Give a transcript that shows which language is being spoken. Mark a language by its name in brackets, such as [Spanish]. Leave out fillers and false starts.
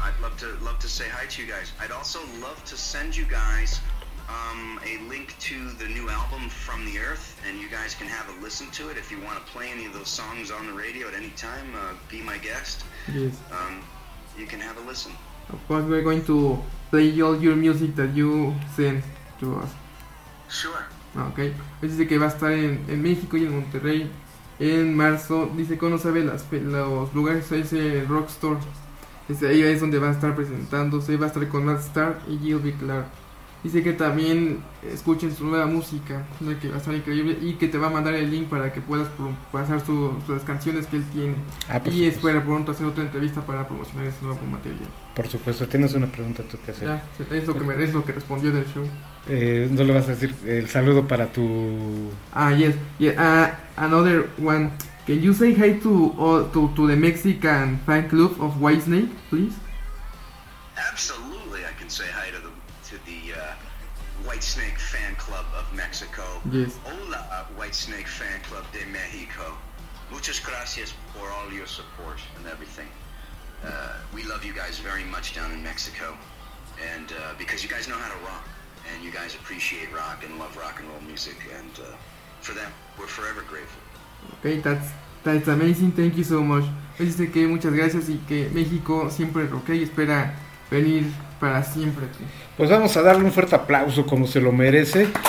[English] I'd love to say hi to you guys. I'd also love to send you guys a link to the new album From the Earth, and you guys can have a listen to it. If you want to play any of those songs on the radio at any time, be my guest. Yes. You can have a listen. Of course, we're going to play all your music that you send to us. Sure. Okay. [Spanish] Dice que va a estar en México y en Monterrey en marzo. Dice que no sabe los lugares. Dice Rockstar. Dice ahí es donde va a estar presentándose. Va a estar con Matt Starr y Gilby Clark. Dice que también escuchen su nueva música, ¿no? Que va a estar increíble. Y que te va a mandar el link para que puedas pasar las canciones que él tiene. Ah, por Y supuesto. espera pronto hacer otra entrevista para promocionar ese nuevo material. Por supuesto, tienes una pregunta tú que hacer. Ya, es lo que merece, lo que respondió del show. No le vas a decir el saludo para tu. [English] Ah, yes. Yeah, another one. Can you say hi to the Mexican fan club of Whitesnake, please? Absolutely, I can say hi to the Whitesnake fan club of Mexico. Yes. [Spanish] Hola, [English] Whitesnake fan club [Spanish] de Mexico. Muchas gracias por [English] all your support and everything. We love you guys very much down in Mexico, and because you guys know how to rock, and you guys appreciate rock and love rock and roll music, and for that, we're forever grateful. Okay, that's amazing. Thank you so much. [Spanish] Dice que muchas gracias y que México siempre rockea y espera venir para siempre aquí. Pues vamos a darle un fuerte aplauso como se lo merece.